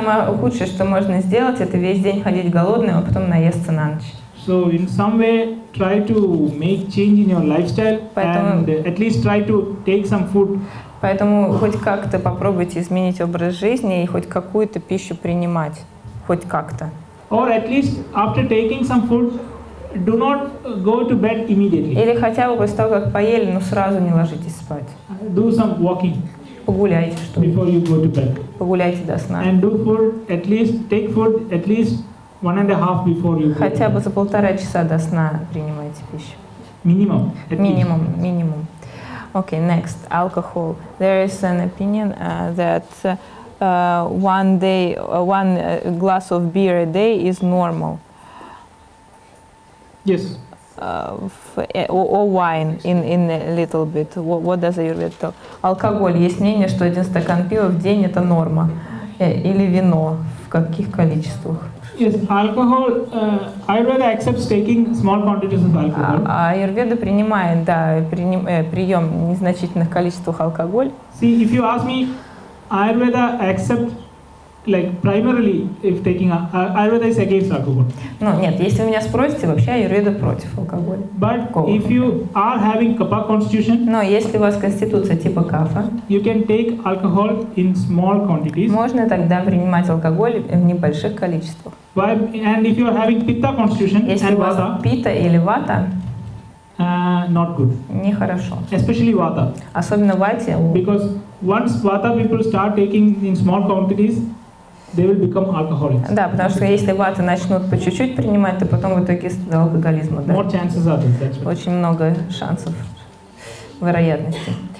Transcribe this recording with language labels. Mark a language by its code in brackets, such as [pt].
[ru] Самое худшее, что можно сделать, это весь день ходить голодным, а потом наесться на ночь. [en] So in some way, try to make change in your lifestyle and at least try to take some food. [ru] Поэтому хоть как-то попробуйте изменить образ жизни и хоть какую-то пищу принимать, хоть как-то. [en] Or at least after taking some food, do not go to bed immediately. [ru] Или хотя бы после того, как поели, но сразу не ложитесь спать. [en] Do some walking. [ru] Погуляйте, что [en] before you go to bed. [ru] Погуляйте до сна. [en] And do food at least, take food at least one and a half before you go. [ru] Хотя бы за полтора часа до сна принимайте пищу. Минимум. Минимум, минимум. [en] Okay, next, alcohol. There is an opinion that one glass of beer a day is normal. Yes. Or wine in a little bit. What does Аюрведа talk? Алкоголь. [ru] Есть мнение, что один стакан пива в день это норма. Или вино. В каких количествах? [en] Yes, alcohol. Аюрведа accepts taking small quantities of alcohol. [ru] Аюрведа принимает, да, прием незначительных количествах алкоголь. [en] See, if you ask me, Аюрведа accept like primarily if taking Аюрведа is against alcohol. [ru] Ну нет, если меня спросите, вообще Аюрведа против алкоголя. [en] But if you are having kapha constitution, [ru] но если у вас конституция типа кафа, [en] you can take alcohol in small quantities. [ru] Можно тогда принимать алкоголь в небольших количествах. [en] Why? And if you are having pitta constitution, [ru] если у вас питта или вата, [en] not good. [ru] Нехорошо. [en] Especially вата. [ru] Особенно вате. [en] Because once vata people start taking in small quantities, they will become alcoholics. [ru] Да, потому что если вата начнут по чуть-чуть принимать, то потом в итоге до алкоголизма. Да? [en] More chances are there. Right. [ru] Очень много шансов, вероятности.